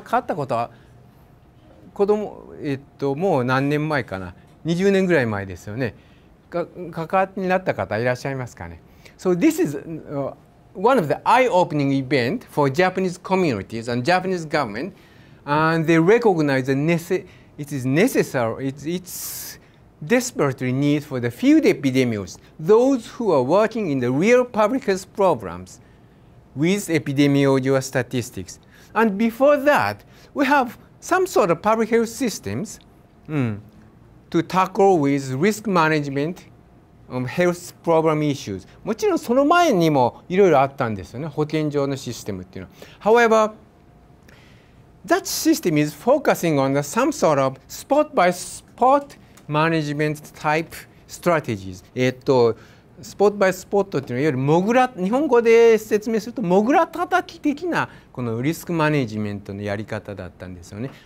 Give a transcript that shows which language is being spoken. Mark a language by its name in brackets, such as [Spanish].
[Japanese] 関わったことは、子供、もう何年前かな ?20 年ぐらい前ですよね。関わりになった方いらっしゃいますかね ? [English] So this is one of the eye-opening event for Japanese communities and Japanese government, and they recognize the It is necessary, it's desperately need for the field epidemiologists, those who are working in the real public health problems with epidemiology or statistics. And before that, we have some sort of public health systems to tackle with risk management of health problem issues. [Japanese] もちろんその前にもいろいろあったんですよね、保健所のシステムっていうのは。 [English] However,That system is focusing on some sort of spot-by-spot management type strategies. [Japanese] Spot-by-spot っていうのはいわゆるもぐら、日本語で説明するともぐらたたき的なこのリスクマネジメントのやり方だったんですよね。